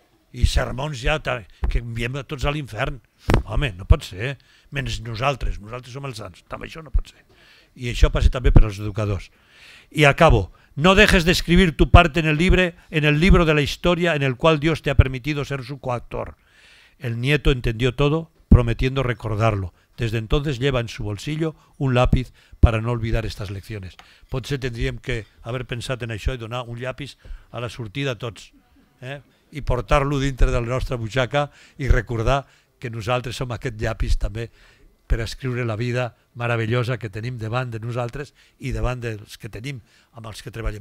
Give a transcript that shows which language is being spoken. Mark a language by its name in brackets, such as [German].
[Catalan] I sermons ja, que enviem tots a l'infern. Home, no pot ser. Menys nosaltres som els sants. També això no pot ser. [Spanish] y eso pasa también para los educadores. Y acabo. No dejes de escribir tu parte en el libro de la historia en el cual Dios te ha permitido ser su coautor. El nieto entendió todo, prometiendo recordarlo. Desde entonces lleva en su bolsillo un lápiz para no olvidar estas lecciones. [Catalan] Potser tendríem que haver pensat en això i donar un llapis a la sortida a tots, eh? I portar-lo dintre de la nostra butxaca i recordar que nosaltres som aquest llapis també per escriure la vida meravellosa que tenim davant de nosaltres i davant dels que tenim, amb els que treballem.